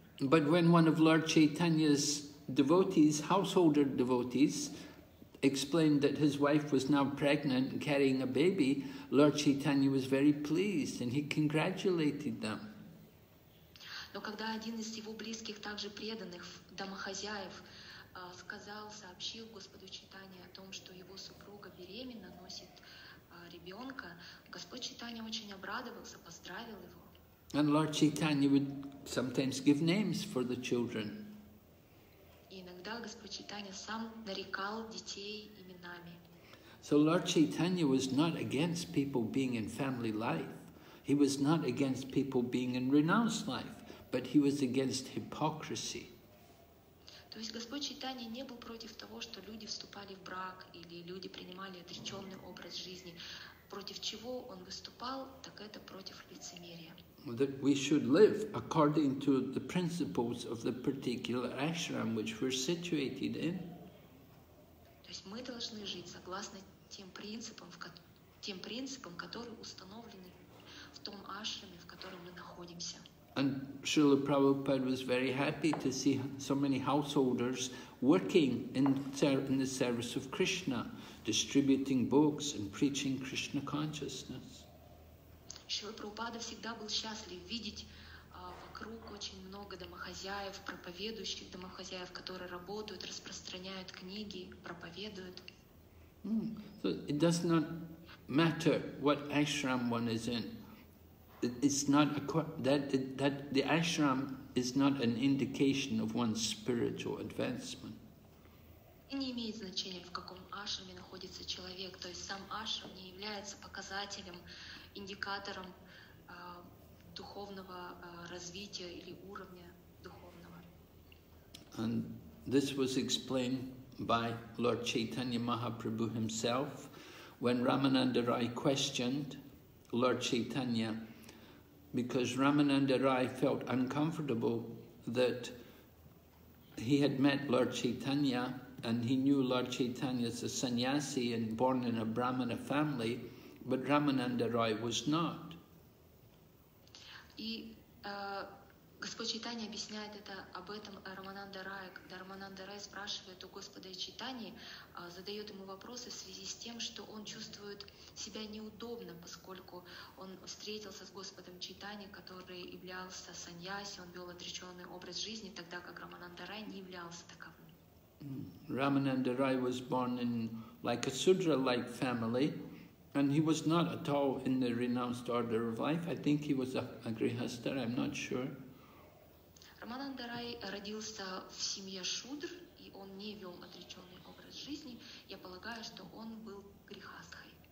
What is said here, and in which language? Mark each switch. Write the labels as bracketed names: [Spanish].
[English] But when one of Lord Chaitanya's devotees, householder devotees, explained that his wife was now pregnant and carrying a baby, Lord Chaitanya was very pleased and he congratulated them. [Russian] Но когда один из его близких, также преданных домохозяев, сообщил Господу Чайтанье о том, что его супруга беременна, носит ребенка, Господь Чайтанья очень обрадовался, поздравил его. [English] And Lord Chaitanya would sometimes give names for the children. [Russian] Иногда Господь Чайтанья сам нарекал детей именами. [English] So Lord Chaitanya was not against people being in family life. He was not against people being in renounced life, but he was against hypocrisy. [Russian] То есть Господь Чайтанья не был против того, что люди вступали в брак или люди принимали отреченный образ жизни. Против чего он выступал, так это против лицемерия. [English] That we should live according to the principles of the particular ashram which we're situated in. [Russian] То есть мы должны жить согласно тем принципам, которые установлены в том ашраме, в котором мы находимся. [English] And Srila Prabhupada was very happy to see so many householders working in the service of Krishna, distributing books and preaching Krishna consciousness. [Russian] Шрила Прабхупада всегда был счастлив видеть вокруг очень много домохозяев, проповедующих домохозяев, которые работают, распространяют книги, проповедуют. [English] So it does not matter what ashram one is in. It's not that the ashram is not an indication of one's spiritual advancement. [Russian] Не имеет значения, в каком ашраме находится человек, то есть сам ашрам не является показателем, индикатором духовного развития или уровня духовного. [English] And this was explained by Lord Chaitanya Mahaprabhu himself when Ramananda Rai questioned Lord Chaitanya, because Ramananda Rai felt uncomfortable that he had met Lord Chaitanya and he knew Lord Chaitanya as a sannyasi and born in a Brahmana family, but Ramananda Rai was not. [Russian] Господь Чайтанья объясняет это об этом Рамананда Рая, когда Рамананда Рай спрашивает у Господа Чайтаньи, задает ему вопросы в связи с тем, что он чувствует себя неудобно, поскольку он встретился с Господом Чайтаньи, который являлся саньяси, он вел отреченный образ жизни, тогда как Рамананда Рай не являлся таковым. [English] Рамананда Рай was born in like a sudra-like family, and he was not at all in the renounced order of life. I think he was a grihastha, I'm not sure. [Russian] Рамананда Рай родился в семье шудр, и он не вел отреченный образ жизни. Я полагаю, что он был грихастхой.